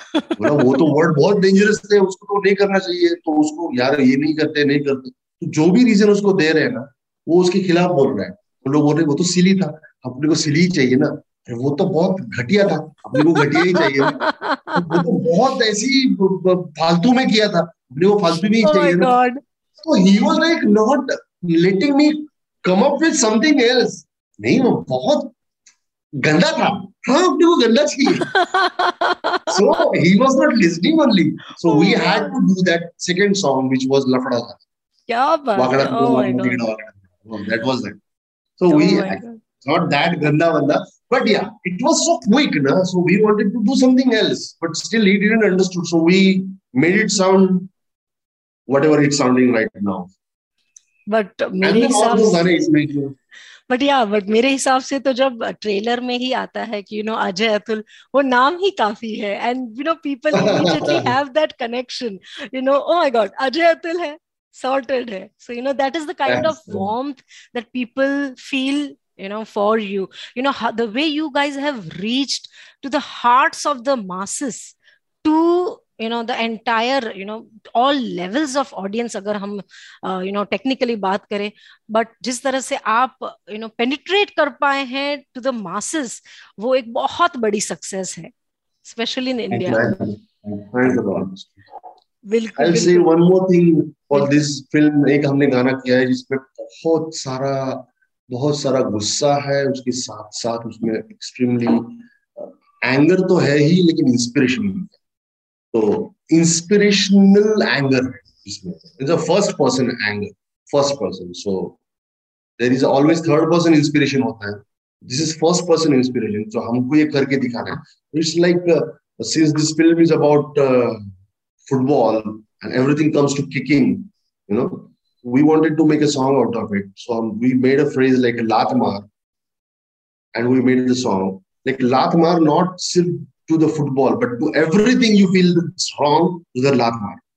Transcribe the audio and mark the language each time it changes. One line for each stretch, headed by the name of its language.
Hindi: बोला वो तो वर्ड बहुत डेंजरस थे, उसको तो नहीं करना चाहिए, तो उसको यार ये नहीं करते नहीं करते. तो जो भी रीजन उसको दे रहे हैं ना वो उसके खिलाफ बोल रहा है. वो लोग बोल रहे वो तो सिली था, अपने को सिली चाहिए ना, वो तो बहुत घटिया था, अपने को घटिया ही चाहिए, वो तो बहुत ऐसी फालतू में किया था, अपने को फालतू नहीं चाहिए.
English: Oh my God. तो he was like not letting me come up with something else.
Hindi: नहीं वो बहुत गंदा था, हाँ अपने को गंदा चाहिए.
English: So he was not listening only. So we had to do that second song which was
Hindi: लफड़ा था. क्या बात. वाकड़ा तो वाकड़ा तो
English: that was it. So oh we not that
Hindi: गंदा वंदा.
English: But yeah, it was so quick, na? So we wanted to do something else, but still he didn't understood. So we made it sound whatever it's sounding right now. But
Hindi: मेरे हिसाब से तो जब trailer में ही आता है कि
English: you know
Hindi: Ajay Atul, वो नाम ही काफी है,
English: and you know people immediately have that connection, you know oh my god
Hindi: Ajay Atul है, सॉर्टेड है.
English: so you know that is the kind of warmth that people feel, you know, for you know, the way you guys have reached to the hearts of the masses, to you know, the entire, you know, all levels of audience,
Hindi: agar hum
English: you know technically
Hindi: baat kare,
English: but
Hindi: jis tarah se aap
English: you know penetrate
Hindi: kar paaye hain
English: to the masses,
Hindi: wo ek bahut badi success hai,
English: especially in India. I'll say one more thing for this film.
Hindi: Ek humne gaana kiya hai jispe बहुत सारा गुस्सा है, उसके साथ साथ उसमें extremely anger तो है ही, लेकिन इंस्पिरेशन भी है. तो इंस्पिरेशनल एंगर इसमें,
English: it's a first person anger, first person, so there is always third person inspiration
Hindi: होता है,
English: This is first person inspiration.
Hindi: तो हमको ये करके दिखाना है.
English: It's like since this film is about football and everything comes to kicking, you know, we wanted to make a song out of it. So we made a phrase like laat maar, and we made the song. Like Laat Maar, not to the football, but to everything you feel that's wrong, to the Laat Maar.